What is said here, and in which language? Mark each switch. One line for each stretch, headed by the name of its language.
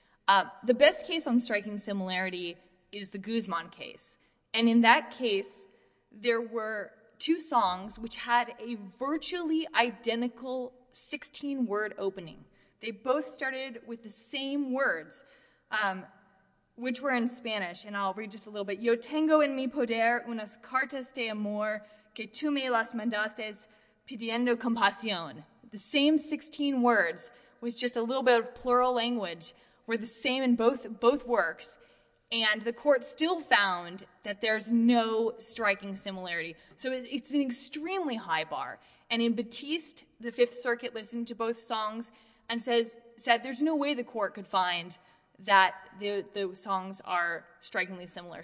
English: The best case on striking similarity is the Guzman case, and in that case, there were two songs which had a virtually identical 16-word opening. They both started with the same words, which were in Spanish, and I'll read just a little bit.
Spanish: Yo tengo en mi poder unas cartas de amor que tú me las mandaste pidiendo compasión.
English: The same 16 words with just a little bit of plural language were the same in both works, and the court still found that there's no striking similarity. So it's an extremely high bar. And in Batiste, the Fifth Circuit listened to both songs and said there's no way the court could find that the songs are strikingly similar.